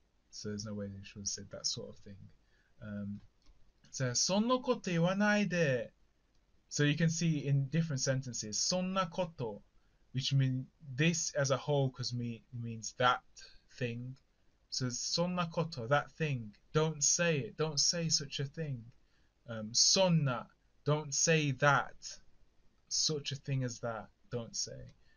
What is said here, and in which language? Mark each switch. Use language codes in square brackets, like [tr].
[en] So there's no way that she would have said that sort of thing. [ja] So, そんなこと言わないで. [en] So you can see in different sentences, そんなこと, which means this as a whole, because means that thing. So, そんなこと, that thing, don't say it, don't say such a thing. そんな, don't say that, such a thing as that, don't say.